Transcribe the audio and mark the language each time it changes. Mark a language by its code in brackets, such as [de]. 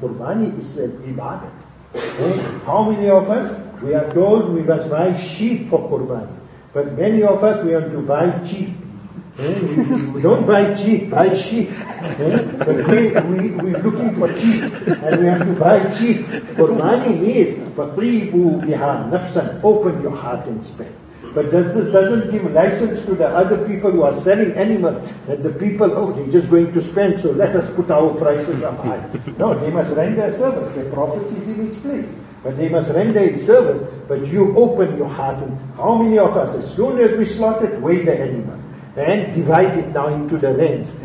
[en] Qurbani is an ibadat. Okay? How many of us? We are told we must buy sheep for qurbani. But many of us, we have to buy cheap. Okay? Don't buy cheap, buy sheep. Okay? But we are looking for cheap, and we have to buy cheap. [ar] Qurbani means, فَطِيبُ بِهَا نَفْسًا. [en] Open your heart and spend. But this doesn't give license to the other people who are selling animals, that the people, oh, they're just going to spend, so let us put our prices up high. No, they must render a service. Their profits is in its place. But they must render a service. But you open your heart. And how many of us, as soon as we slaughtered, weigh the animal and divide it now into the lands.